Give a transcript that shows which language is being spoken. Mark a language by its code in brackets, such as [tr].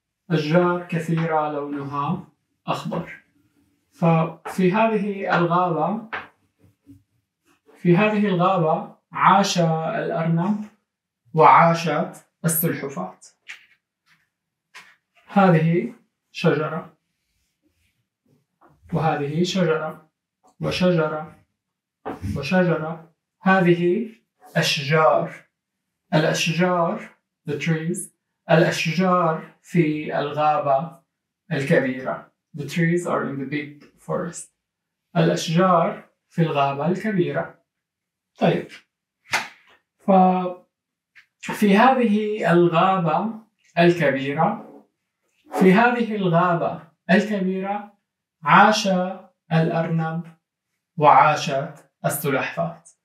[ar] أشجار كثيرة لونها أخضر. ففي هذه الغابة، في هذه الغابة عاش الأرنب وعاشت السلحفاة. هذه شجرة وهذه شجرة وشجرة وشجرة. هذه أشجار. الأشجار [en] the trees. [ar] الأشجار في الغابة الكبيرة. [en] The trees are in the big forest. [ar] الأشجار في الغابة الكبيرة. طيب، ففي هذه الغابة الكبيرة، في هذه الغابة الكبيرة عاش الأرنب وعاشت السلحفاة.